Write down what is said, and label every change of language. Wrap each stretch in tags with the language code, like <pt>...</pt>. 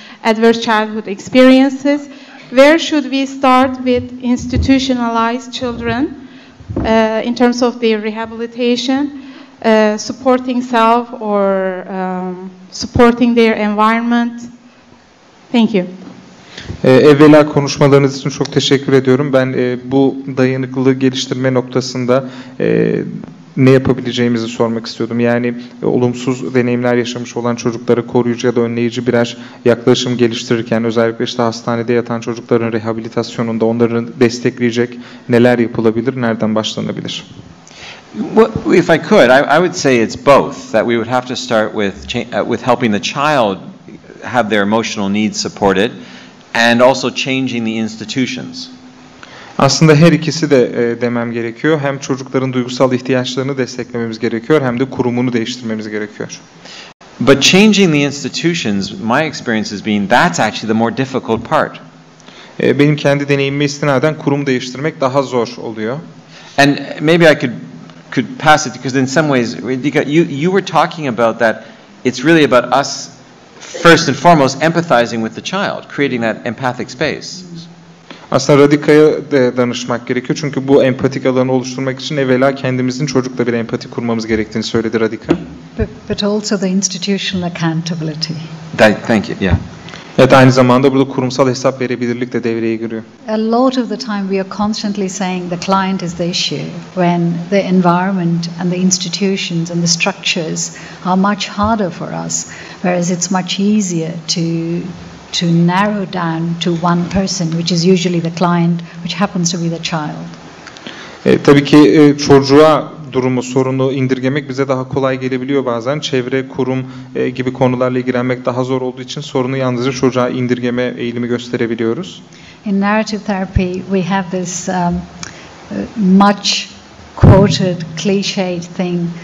<en>adverse childhood experiences. Where should we start with institutionalized children in terms of their rehabilitation, supporting self or supporting their environment? Thank you.</en> <tr>Evvela konuşmalarınız için çok teşekkür ediyorum. Ben bu dayanıklılığı geliştirme noktasında ne yapabileceğimizi sormak istiyordum. Yani olumsuz deneyimler yaşamış olan çocuklara koruyucu ya da önleyici birer yaklaşım geliştirirken, özellikle işte hastanede yatan çocukların rehabilitasyonunda onları destekleyecek neler yapılabilir, nereden başlanabilir?</tr> <en>Well, if I could, I would say it's both, that we would have to start with helping the child have their emotional needs supported and also changing the institutions.</en> <tr>Aslında her ikisi de demem gerekiyor. Hem çocukların duygusal ihtiyaçlarını desteklememiz gerekiyor, hem de kurumunu değiştirmemiz gerekiyor.</tr> <en>But changing the institutions, my experience has been that's actually the more difficult part.</en> <tr>Benim kendi deneyimime istinaden kurum değiştirmek daha zor oluyor.</tr> <en>And maybe I could pass it, because in some ways, Radhika, you were talking about that it's really about us first and foremost empathizing with the child, creating that empathic space.</en> <tr>Aslında Radhika'ya danışmak gerekiyor, çünkü bu empatik alanı oluşturmak için evvela kendimizin çocukla bile empati kurmamız gerektiğini söyledi Radhika.</tr> <en>But also the institutional accountability. Thank you. Yeah.</en> <tr>Evet, aynı zamanda burada kurumsal hesap verebilirlik de devreye giriyor.</tr> <en>A lot of the time we are constantly saying the client is the issue, when the environment and the institutions and the structures are much harder for us, whereas it's much easier to narrow down to one person, which is usually the client, which happens to be the child.</en> <tr>Tabii ki çocuğa durumu, sorunu indirgemek bize daha kolay gelebiliyor bazen. Çevre, kurum gibi konularla ilgilenmek daha zor olduğu için sorunu yalnızca çocuğa indirgeme eğilimi gösterebiliyoruz.</tr> <en>In narrative therapy, we have this much quoted, cliched thing.</en>